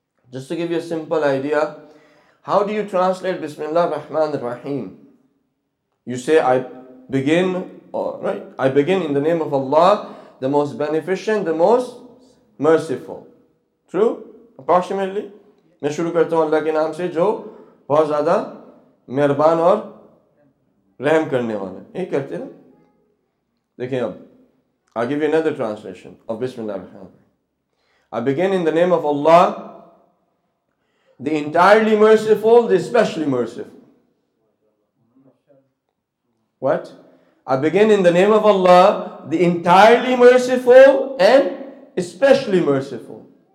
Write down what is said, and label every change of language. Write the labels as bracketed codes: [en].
[en] Just to give you a simple idea, how do you translate Bismillah Rahman Rahim? You say, I begin in the name of Allah, the most beneficent, the most merciful. True? Approximately? [ur] میں شروع کرتا ہوں اللہ کے نام سے جو بہت زیادہ مہربان اور رحم کرنے والا. یہ کہتے ہیں. Dekhiye ab, [en] I'll give you another translation of Bismillah. I begin in the name of Allah, the entirely merciful, the especially merciful. What? I begin in the name of Allah, the entirely merciful and especially merciful.